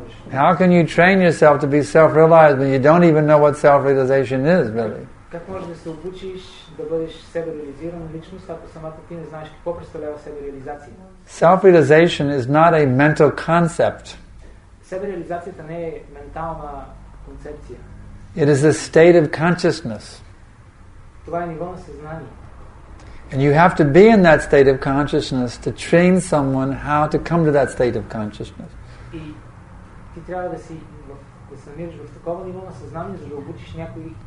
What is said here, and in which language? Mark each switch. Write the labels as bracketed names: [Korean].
[English] How can you train yourself to be self-realized when you don't even know what self-realization is, really? [Bulgarian] Как можеш да се обучиш да бъдеш себереализирана личност, ако самата ти не знаеш какво представлява себереализация? [English] Self-realization is not a mental concept. [Bulgarian] Себереализацията не е ментална концепция. [English] It is a state of consciousness. [Bulgarian] Това е ниво на съзнание. [English] And you have to be in that state of consciousness to train someone how to come to that state of consciousness. [Bulgarian] И ти трябва да си да се намираш в такова ниво на съзнание, за да обучиш някой.